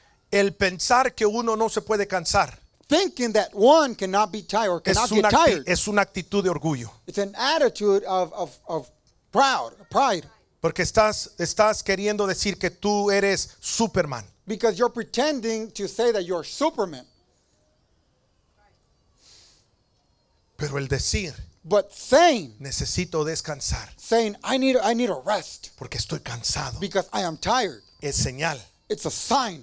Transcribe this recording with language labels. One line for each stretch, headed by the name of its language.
Spanish: El pensar que uno no se puede cansar.
English: Thinking that one cannot be tired or cannot get tired.
Spanish: Es una actitud de orgullo.
English: It's an attitude of proud, pride.
Spanish: Porque estás queriendo decir que tú eres Superman.
English: Because you're pretending to say that you're Superman.
Spanish: Pero el decir,
English: but saying,
Spanish: necesito descansar.
English: Saying, I need a rest.
Spanish: Porque estoy cansado.
English: Because I am tired.
Spanish: Es señal.
English: It's a sign